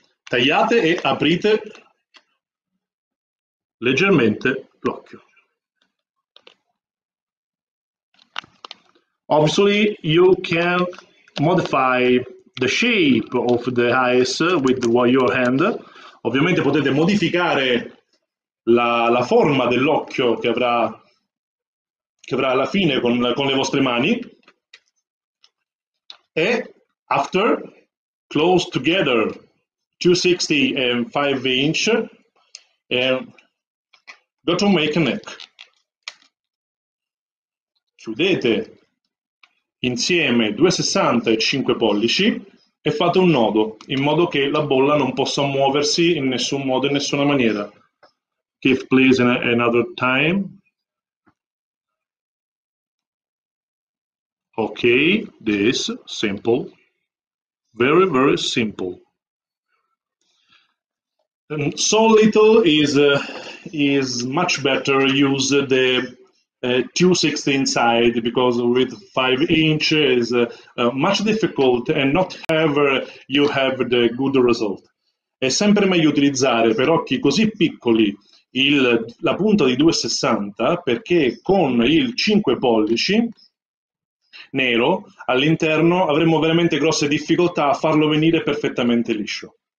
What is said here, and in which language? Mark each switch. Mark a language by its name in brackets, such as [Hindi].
[Italian] Tagliate e aprite leggermente l'occhio. [English] Obviously, you can modify the shape of the eyes with your hand. [Italian] Ovviamente potete modificare la forma dell'occhio che avrà alla fine con le vostre mani. [English] E after, close together 260 and 5-inch, and go to make a neck. [Italian] Chiudete insieme 260 e 5 pollici. E fate un nodo in modo che la bolla non possa muoversi in nessun modo, in nessuna maniera. [English] Keith, please, another time. Okay, this simple. Very, very simple. And so little is much better use the 260 inside, because with 5-inch is much difficult and not ever you have the good result. [Italian] È sempre meglio utilizzare per occhi così piccoli la punta di 260, perché con il 5 pollici nero all'interno avremo veramente grosse difficoltà a farlo venire perfettamente liscio.